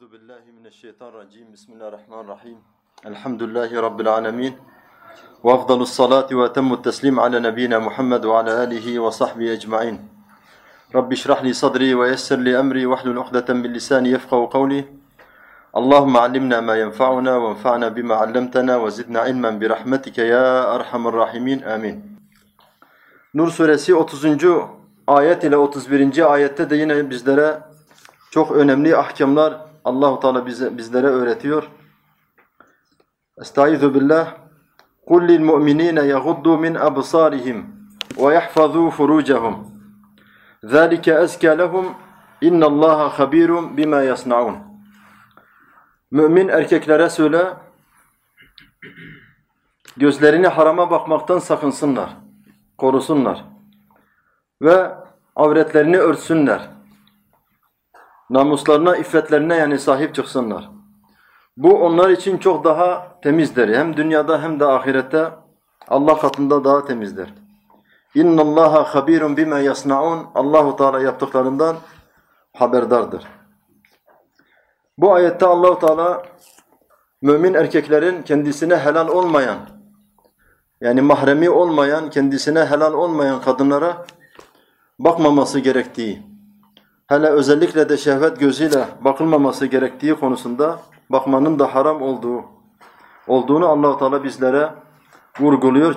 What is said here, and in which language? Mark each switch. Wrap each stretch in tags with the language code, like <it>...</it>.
<ar>الله من الشيطان الرجيم بسم الله الرحمن الرحيم الحمد لله رب العالمين وأفضل الصلاة وأتم التسليم على نبينا محمد وعلى آله وصحبه أجمعين رب اشرح لي صدري ويسر لي أمري واحلل عقدة من لساني يفقهوا قولي اللهم علمنا ما ينفعنا وانفعنا بما علمتنا وزدنا علما برحمتك يا أرحم الراحمين آمين نور سورة 30. آيات إلى 31.</ar> <tr>آيات تدينا بزدرة çok önemli ahkamlar Allah-u Teala bizlere öğretiyor. Estaizu billah.</tr> <ar>قُلْ لِلْمُؤْمِنِينَ يَغُضُّوا مِنْ أَبْصَارِهِمْ وَيَحْفَظُوا فُرُوجَهُمْ ذَلِكَ أَزْكَى لَهُمْ اِنَّ اللّٰهَ خَب۪يرٌ بِمَا يَصْنَعُونَ</ar> <tr>Mümin erkeklere söyle, gözlerini harama bakmaktan sakınsınlar, korusunlar ve avretlerini örtsünler. Namuslarına, iffetlerine yani sahip çıksınlar. Bu onlar için çok daha temizdir. Hem dünyada hem de ahirette Allah katında daha temizdir.</tr> <ar>اِنَّ اللّٰهَ خَب۪يرٌ بِمَا يَصْنَعُونَ</ar> <tr>Allah-u Teala yaptıklarından haberdardır. Bu ayette Allah-u Teala mümin erkeklerin kendisine helal olmayan, yani mahremi olmayan, kendisine helal olmayan kadınlara bakmaması gerektiği, hele özellikle de şehvet gözüyle bakılmaması gerektiği konusunda bakmanın da haram olduğunu Allah-u Teala bizlere vurguluyor.</tr>